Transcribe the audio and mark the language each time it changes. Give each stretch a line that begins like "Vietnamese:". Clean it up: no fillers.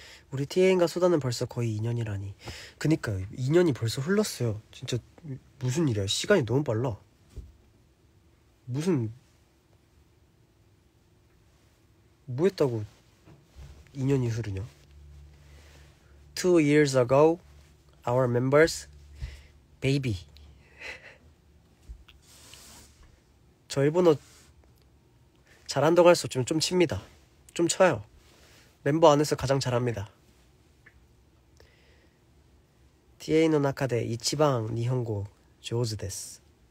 Korean: 우리 TAN과 소다는 벌써 거의 2년이라니. 그니까요, 2년이 벌써 흘렀어요. 진짜 무슨 일이야. 시간이 너무 빨라. 무슨 뭐 했다고 2년이 흐르냐.
English: 2 years ago our members baby.
Korean: 저 일본어 잘한다고 할 수 없지만 좀 칩니다. 좀 쳐요. 멤버 안에서 가장 잘합니다.
Japanese: TA の中で一番日本語上手です。